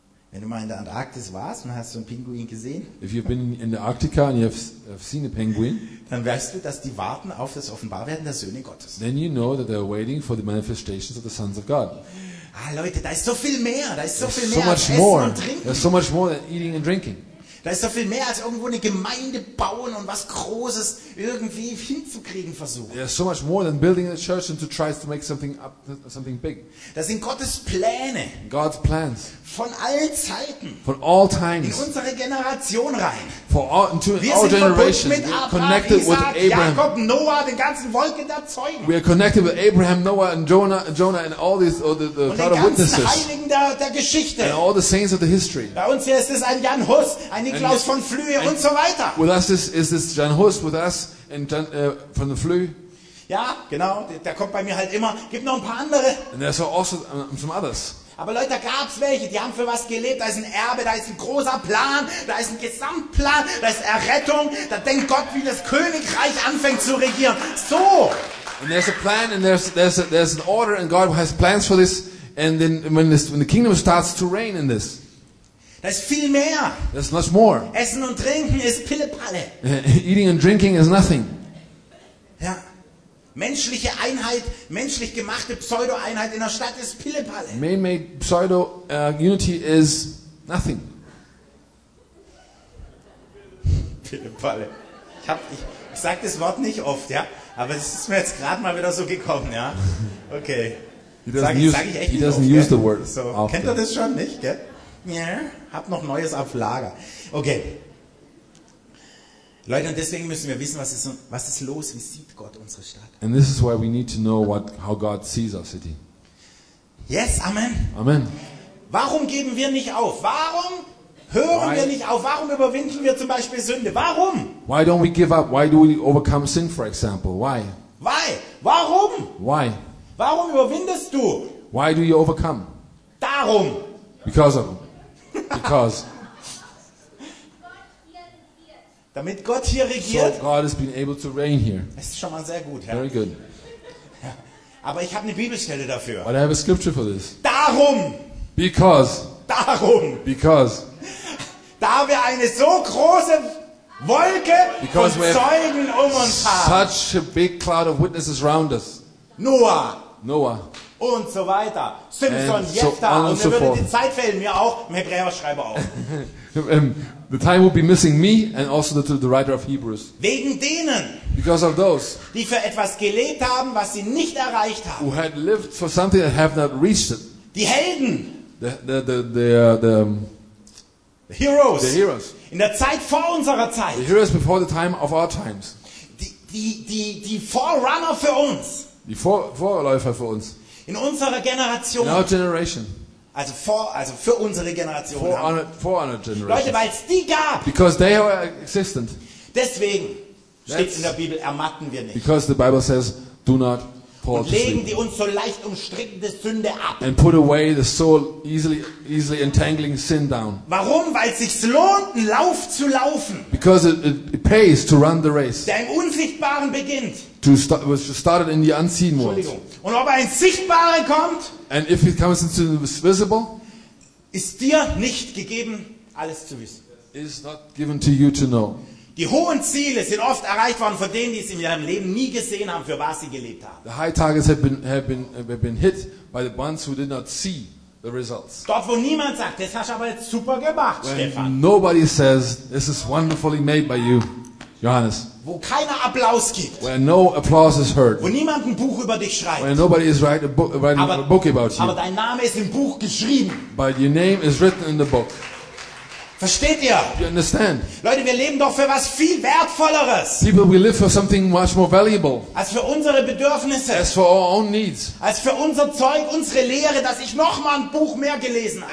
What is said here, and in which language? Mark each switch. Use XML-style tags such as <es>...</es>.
<de>Wenn du mal in der Antarktis warst und hast so einen Pinguin gesehen?</de> <en>If you've been in the Arctica and you've seen a penguin.</en> <de>Dann weißt du, dass die warten auf das Offenbarwerden der Söhne Gottes.</de> <en>Then you know that they're waiting for the manifestations of the sons of God.</en> <de>Ah, Leute, da ist so viel mehr. Da ist so</de> <en>There's</en> <de>viel mehr</de> <en>so much</en> <de>als</de> <en>more.</en> <de>Essen und Trinken.</de> <en>There's so much more than eating and drinking.</en> <de>Da ist doch viel mehr als irgendwo eine Gemeinde bauen und was Großes irgendwie hinzukriegen versuchen.</de> <en>There's so much more than building a church and to try to make something up, something big.</en> <de>Das sind Gottes Pläne.</de> <en>God's plans.</en> <de>Von allen Zeiten.</de> <en>From all times.</en> <de>In unsere Generation rein.</de> <en>For all, into our generation.</en> <de>Wir sind verbunden mit</de> <en>connected</en> <de>Abraham, Isaac,</de> <en>with Abraham.</en> <de>Jakob, Noah, den ganzen Wolken der Zeugen.</de> <en>We are connected with Abraham, Noah and Jonah and all these all the</en> <de>und</de> <en>cloud of witnesses.</en> <de>Und den ganzen Heiligen der Geschichte.</de> <en>And all the saints of the history.</en> <de>Bei uns hier ist es ein Jan Hus, ein Niklaus von Flüe und so weiter.</de> <en>With us is this Jan Hus with us and Jan, from the Flüe.</en> <de>Ja, genau. Der kommt bei mir halt immer. Gibt noch ein paar andere.</de> <en>And there's also some others.</en> <de>Aber Leute, da gab's welche. Die haben für was gelebt. Da ist ein Erbe, da ist ein großer Plan, da ist ein Gesamtplan, da ist Errettung. Da denkt Gott, wie das Königreich anfängt zu regieren.</de> <en>So. And there's a plan and there's an order and God has plans for this. And then when the kingdom starts to reign in this.</en> <de>Da ist viel mehr.</de> <en>There's much more.</en> <de>Essen und Trinken ist Pillepalle.</de> <en>Eating and drinking is nothing.</en> <de>Ja. Menschliche Einheit, menschlich gemachte Pseudo-Einheit in der Stadt ist Pillepalle.</de> <en>Man-made Pseudo-Unity is nothing.</en> <de>Pillepalle. Ich sag das Wort nicht oft, ja. Aber es ist mir jetzt gerade mal wieder so gekommen, ja.</de> <en>Okay. He doesn't use the word.</en> <de>So, kennt er das schon nicht, gell? Ja, hab noch Neues auf Lager. Okay. Leute, und deswegen müssen wir wissen, was ist los, wie sieht Gott unsere Stadt?</de> <en>And this is why we need to know how God sees our city. Yes, amen. Amen.</en> <de>Warum geben wir nicht auf? Warum hören wir nicht auf? Warum überwinden wir zum Beispiel Sünde? Warum?</de> <en>Why don't we give up? Why do we overcome sin, for example? Why? Why?</en> <de>Warum?</de> <en>Why?</en> <de>Warum überwindest du?</de> <en>Why do you overcome?</en> <de>Darum.</de> <en>Because of them. Because.</en> <de>Damit Gott hier regiert.</de> <en>So God has been able to reign here.</en> <de>Das ist schon mal sehr gut.</de> <en>Very</en> <de>ja.</de> <en>Good.</en> <de>Aber ich habe eine Bibelstelle dafür.</de> <en>But I have a scripture for this.</en> <de>Darum.</de> <en>Because.</en> <de>Darum.</de> <en>Because.</en> <de>Da wir eine so große Wolke von Zeugen um uns haben.</de> <en>Such a big cloud of witnesses around us.</en> <de>Noah. Und so weiter. Simson, Jephthah.</de> <en>So</en> <de>und</de> <en>so</en> <de>mir</de> <en>forth.</en> <de>Würde die Zeit fehlen, mir auch. Im Hebräerschreiber auch.</de> <en>The time would be missing me and also the writer of Hebrews.</en> <de>Wegen denen.</de> <en>Because of those.</en> <de>Die für etwas gelebt haben, was sie nicht erreicht haben.</de> <en>Who had lived for something that have not reached it.</en> <de>Die Helden.</de> <en>The heroes. The heroes.</en> <de>In der Zeit vor unserer Zeit.</de> <en>The heroes before the time of our times.</en> <de>Die Forerunner für uns. Die Vorläufer für uns. In unserer Generation.</de> <en>In our generation.</en> <de>Also für unsere Generation.</de> <en>For our generation.</en> <de>Leute, weil es die gab.</de> <en>Because they were existent.</en> <de>Deswegen steht in der Bibel, ermatten wir nicht.</de> <en>Because the Bible says, do not</en> <de>Paul und legen die uns so leicht umstrickende Sünde ab.</de> <en>And put away the so easily entangling sin down.</en> <de>Warum? Weil es sich lohnt, einen Lauf zu laufen.</de> <en>Because it pays to run the race.</en> <de>Der im Unsichtbaren beginnt.</de> <en>Was started in the unseen world.</en> <de>Und ob er ins Sichtbare kommt,</de> <en>and if it comes into the visible,</en> <de>ist dir nicht gegeben, alles zu wissen.</de> <en>It is not given to you to know.</en> <de>Die hohen Ziele sind oft erreicht worden von denen, die es in ihrem Leben nie gesehen haben, für was sie gelebt haben.</de> <en>The high targets have been hit by the ones who did not see the results.</en> <de>Dort, wo niemand sagt, das hast du aber jetzt super gemacht,</de> <en>when Stefan. Nobody says, this is wonderfully made by you, Johannes.</en> <de>Wo keiner Applaus gibt.</de> <en>Where no applause is heard.</en> <de>Wo niemand ein Buch über dich schreibt.</de> <en>Where nobody is writing a book about you.</en> <de>Aber dein Name ist im Buch geschrieben.</de> <en>But your name is written in the book.</en> <de>Versteht ihr?</de> <en>You understand?</en> <de>Leute, wir leben doch für was viel Wertvolleres.</de> <en>People, we live for something much more valuable.</en> <de>Als für unsere Bedürfnisse.</de> <en>As for our own needs.</en> <de>Als für unser Zeug, unsere Lehre, dass ich noch mal ein Buch mehr gelesen habe.</de>